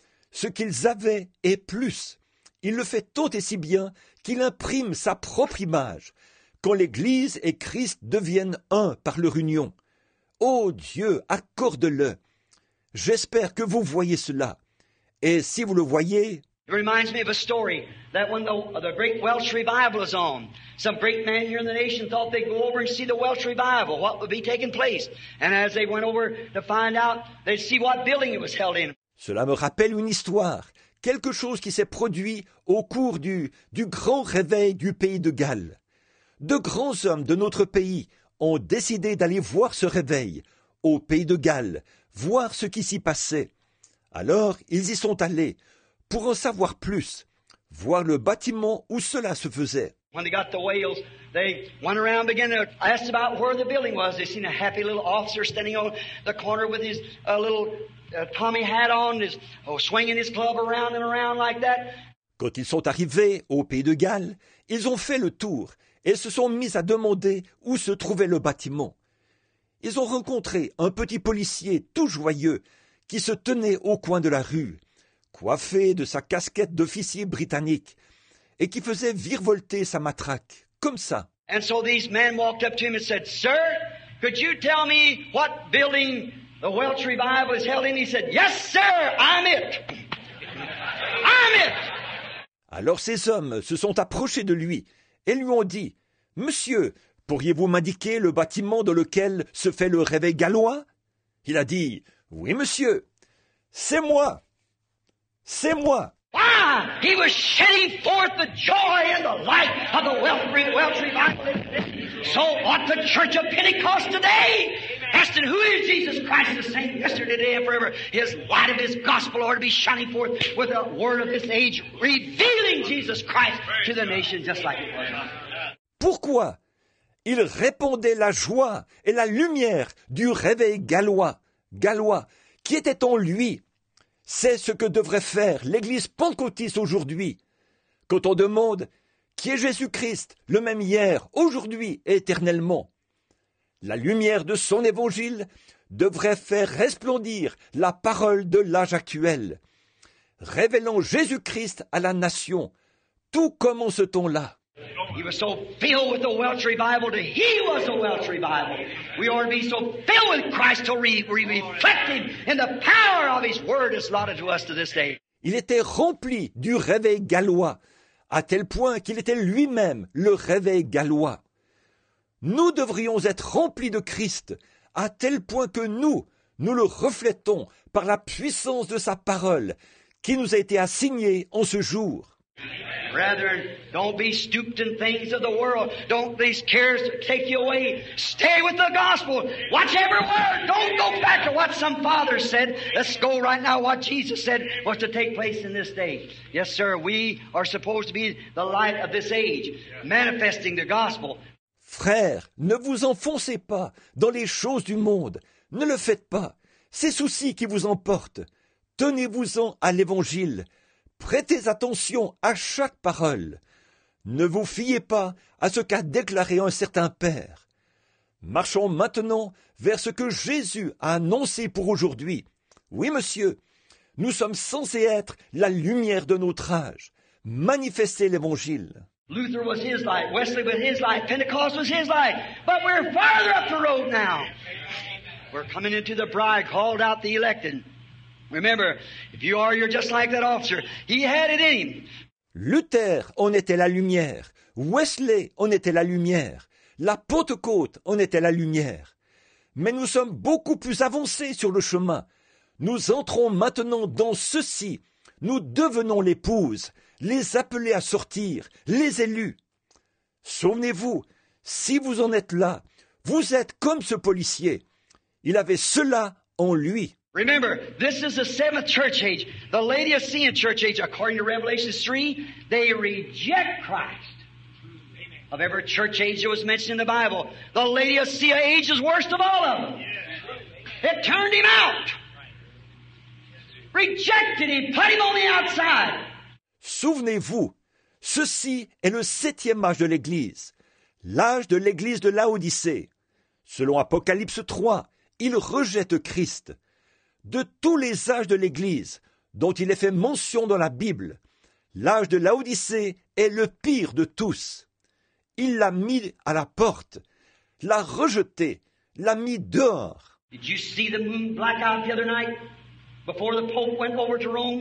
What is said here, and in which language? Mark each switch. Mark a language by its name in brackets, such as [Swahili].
[French] Ce qu'ils avaient est plus. Il le fait tant et si bien qu'il imprime sa propre image quand l'Église et Christ deviennent un par leur union. Oh Dieu, accorde-le. J'espère que vous voyez cela. Et si vous le voyez, [English] it reminds me of a story that when the great Welsh revival was on, some great man here in the nation thought they'd go over and see the Welsh revival, what would be taking place. And as they went over to find out, they'd see what building it was held in. [French] Cela me rappelle une histoire, quelque chose qui s'est produit au cours du grand réveil du pays de Galles. De grands hommes de notre pays ont décidé d'aller voir ce réveil au pays de Galles, voir ce qui s'y passait. Alors, ils y sont allés pour en savoir plus, voir le bâtiment où cela se faisait. [English] When they got the whales, they went around and began to ask about where the building was. They seen a happy little officer standing on the corner with his Tommy hat on, swinging his club around and around like that. [French] Quand ils sont arrivés au pays de Galles, ils ont fait le tour et se sont mis à demander où se trouvait le bâtiment. Ils ont rencontré un petit policier tout joyeux qui se tenait au coin de la rue, coiffé de sa casquette d'officier britannique, et qui faisait virevolter sa matraque, comme ça. [English] And so these men walked up to him and said, Sir, could you tell me what building the Welsh Revival is held in? He said, Yes, sir, I'm it. I'm it. [French] Alors ces hommes se sont approchés de lui et lui ont dit, Monsieur, pourriez-vous m'indiquer le bâtiment dans lequel se fait le réveil gallois? Il a dit, « Oui, monsieur, c'est moi. C'est moi. » [English] Ah, he was shedding forth the joy and the light of the Welsh revival. So ought the church of Pentecost today. Asking, who is Jesus Christ the same yesterday, today, and forever? His light of his gospel ought to be shining forth with the word of this age, revealing Jesus Christ to the nation just like it was. [French] Pourquoi? Il répandait la joie et la lumière du réveil gallois. Gallois, qui était en lui, c'est ce que devrait faire l'Église pentecôtiste aujourd'hui. Quand on demande qui est Jésus-Christ, le même hier, aujourd'hui et éternellement, la lumière de son évangile devrait faire resplendir la parole de l'âge actuel, révélant Jésus-Christ à la nation, tout comme en ce temps-là. [English] He was so filled with the Welsh revival that he was a Welsh revival. We ought to be so filled with Christ to reflect him in the power of his word allotted to us to this day. [French] Il était rempli du réveil gallois, à tel point qu'il était lui-même le réveil gallois. Nous devrions être remplis de Christ, à tel point que nous le reflétons par la puissance de sa parole qui nous a été assignée en ce jour. [English] Brethren, don't be stooped in things of the world. Don't these cares take you away. Stay with the gospel. Watch every word. Don't go back to what some father said. Let's go right now what Jesus said was to take place in this day. Yes, sir, we are supposed to be the light of this age, manifesting the gospel. [French] Frères, ne vous enfoncez pas dans les choses du monde. Ne le faites pas. Ces soucis qui vous emportent. Tenez-vous-en à l'évangile. Prêtez attention à chaque parole. Ne vous fiez pas à ce qu'a déclaré un certain père. Marchons maintenant vers ce que Jésus a annoncé pour aujourd'hui. Oui, monsieur, nous sommes censés être la lumière de notre âge. Manifestez l'évangile. [English] Luther was his light, Wesley was his light, Pentecost was his light. But we're farther up the road now. We're coming into the bride, called out the elected. Remember, if you are, you're just like that officer. He had it in him. [French] Luther en était la lumière. Wesley en était la lumière. La Pentecôte en était la lumière. mais nous sommes beaucoup plus avancés sur le chemin. Nous entrons maintenant dans ceci. Nous devenons l'épouse, les appelés à sortir, les élus. Souvenez-vous, si vous en êtes là, vous êtes comme ce policier. Il avait cela en lui. [English] Remember, this is the seventh church age. The Laodicean church age, according to Revelation 3, they reject Christ. Amen. Of every church age that was mentioned in the Bible, the Laodicea age is worst of all of them. Yeah. It turned him out. Rejected him, put him on the outside. [French] Souvenez-vous, ceci est le septième âge de l'Église, l'âge de l'Église de Laodicée. Selon Apocalypse 3, il rejette Christ. De tous les âges de l'Église dont il est fait mention dans la Bible, l'âge de Laodicée est le pire de tous. Il l'a mis à la porte, l'a rejeté, l'a mis dehors. [English] Did you see the moon black out the other night before the Pope went over to Rome?